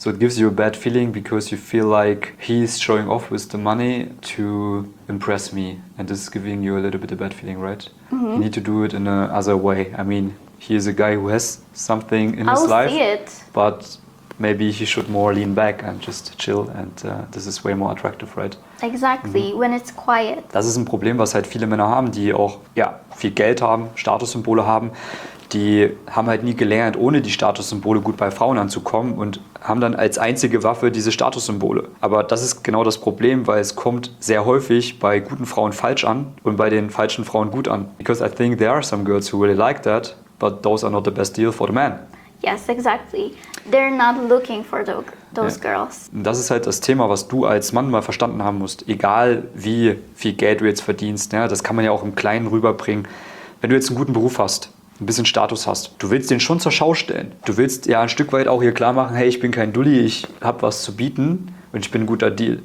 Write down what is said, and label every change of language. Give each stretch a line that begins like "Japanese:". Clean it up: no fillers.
English: So it gives you a bad feeling because you feel like he's showing off with the money to impress me. And this is giving you a little bit of a bad feeling, right? Mm-hmm. You need to do it in another way. I mean, he is a guy who has something in his life. I'll see it. But maybe he should more lean back and just chill, and this is way more attractive, right? Exactly, mhm. When it's quiet.
German: Das ist ein Problem, was halt viele Männer haben, die auch ja, viel Geld haben, Statussymbole haben. Die haben halt nie gelernt, ohne die Statussymbole gut bei Frauen anzukommen und haben dann als einzige Waffe diese Statussymbole. Aber das ist genau das Problem, weil es kommt sehr häufig bei guten Frauen falsch an und bei den falschen Frauen gut an.
English: Because I think there are some girls who really like that, but those are not the best deal for the man. Yes, exactly. They're not looking for those girls.
German: Das ist halt das Thema, was du als Mann mal verstanden haben musst. Egal, wie viel Geld du jetzt verdienst, ja, das kann man ja auch im Kleinen rüberbringen. Wenn du jetzt einen guten Beruf hast, ein bisschen Status hast, du willst den schon zur Schau stellen. Du willst ja ein Stück weit auch hier klar machen, hey, ich bin kein Dulli, ich habe was zu bieten und ich bin ein guter Deal.